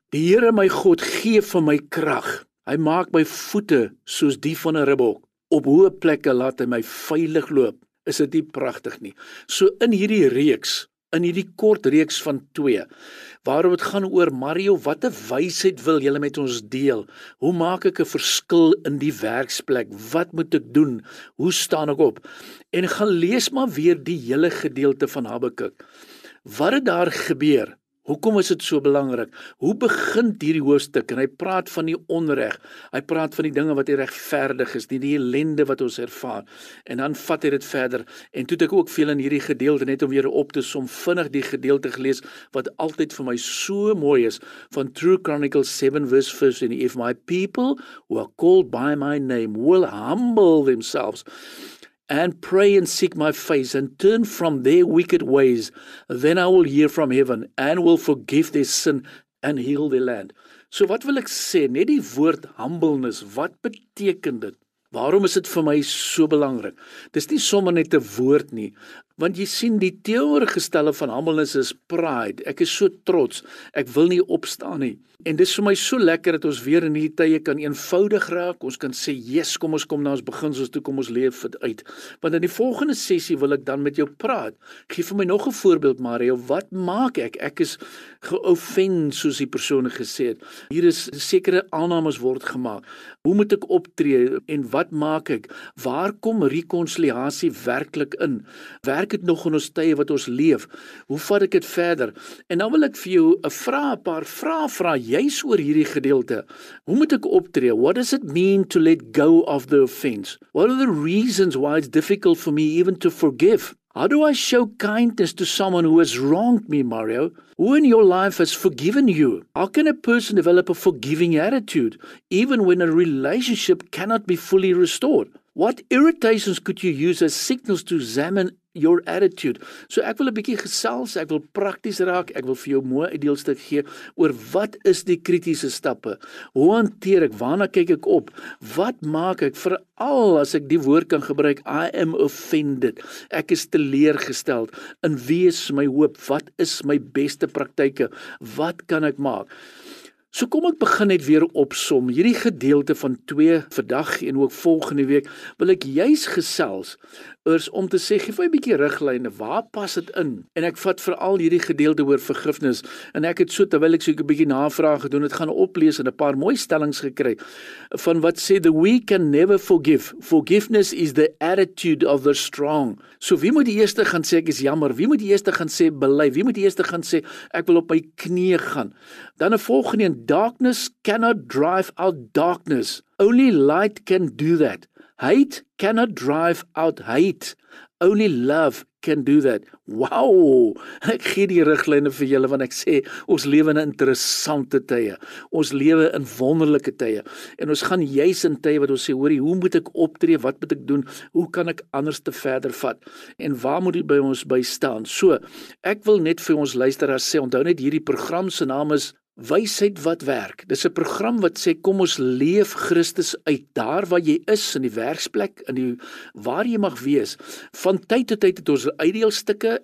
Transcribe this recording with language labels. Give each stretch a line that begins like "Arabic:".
Afrikaans: Die Here my God gee vir my krag, hy maak my voete soos die van 'n ribbok, op hoë plekke laat hy my veilig loop, is dit nie prachtig nie. So in hierdie reeks, in hierdie kort reeks van 2, waarom het gaan oor, Mario, wat 'n wysheid wil jy met ons deel? Hoe maak ek 'n verskil in die werksplek? Wat moet ek doen? Hoe staan ek op? En gaan lees maar weer die hele gedeelte van Habakuk. Wat het daar gebeur? Hoekom is dit so belangrik? Hoe begint hierdie hoofstuk? En hy praat van die onreg. Hy praat van die dinge wat hier regverdig is, die ellende wat ons ervaar. En dan vat hy dit verder. En toe het ek ook veel in hierdie gedeelte, net om weer op te som, vinnig die gedeelte gelees, wat altyd vir my so mooi is, van True Chronicles 7 verse 15.
English: If my people who are called by my name will humble themselves, and pray and seek my face, and turn from their wicked ways, then I will hear from heaven, and will forgive their sin, and heal their land.
Afrikaans: So wat wil ek sê, net die woord humbleness, wat beteken dit? Waarom is dit vir my so belangrik? Dit is nie sommer net 'n woord nie, want jy sien die teenoorgestelde van humbleness is pride. Ek is so trots, ek wil nie opstaan nie. En dit is vir my so lekker dat ons weer in hierdie tye kan eenvoudig raak. Ons kan sê, yes, kom ons kom na ons beginsels toe, kom ons leef dit uit. Want in die volgende sessie wil ek dan met jou praat. Ek gee vir my nog 'n voorbeeld, Mario, wat maak ek? Ek is geoffend, soos die persoon gesê het. Hier is sekere aannames word gemaak. Hoe moet ek optree en wat maak ek? Waar kom reconciliatie werklik in? Werk het nog in ons tye wat ons leef? Hoe vat ek het verder? En dan wil ek vir jou een paar vrae, juist oor hierdie gedeelte. Hoe moet ek optree?
English: What does it mean to let go of the offense? What are the reasons why it's difficult for me even to forgive? How do I show kindness to someone who has wronged me, Mario? Who in your life has forgiven you? How can a person develop a forgiving attitude, even when a relationship cannot be fully restored? What irritations could you use as signals to examine your attitude?
Afrikaans: So ek wil 'n bietjie gesels, ek wil prakties raak, ek wil vir jou mooi ideelstuk gee oor wat is die kritiese stappe? Hoe hanteer ek? Waarna kyk ek op? Wat maak ek, veral as ek die woord kan gebruik,
English: I am offended.
Afrikaans: Ek is teleergesteld. In wie is my hoop? Wat is my beste praktyke? Wat kan ek maak? So kom ek begin net weer opsom. Hierdie gedeelte van 2 vandag en ook volgende week wil ek juis gesels oors om te sê, gee vir my 'n bietjie riglyne, waar pas dit in? En ek vat veral hierdie gedeelte oor vergifnis en ek het so terwyl ek so 'n bietjie navraag gedoen het, gaan oplees en 'n paar mooi stellings gekry van wat sê
English: the weak can never forgive. Forgiveness is the attitude of the strong.
Afrikaans: So wie moet die eerste gaan sê ek is jammer? Wie moet die eerste gaan sê bely? Wie moet die eerste gaan sê ek wil op my knieë gaan? Dan 'n volgende en
English: darkness cannot drive out darkness. Only light can do that. Hate cannot drive out hate. Only love can do that.
Afrikaans: Wow! Ek gee die riglyne vir julle, want ek sê, ons lewe in interessante tye. Ons lewe in wonderlike tye. En ons gaan juis in tye wat ons sê, hoorie, hoe moet ek optree? Wat moet ek doen? Hoe kan ek anders te verder vat? En waar moet die by ons by staan? So, ek wil net vir ons luisteraars sê, onthou net hierdie program se naam is Wysheid wat werk. Dis 'n program wat sê kom ons leef Christus uit daar waar jy is, in die werksplek, in die waar jy mag wees. Van tyd tot tyd het ons uitdeelstukke.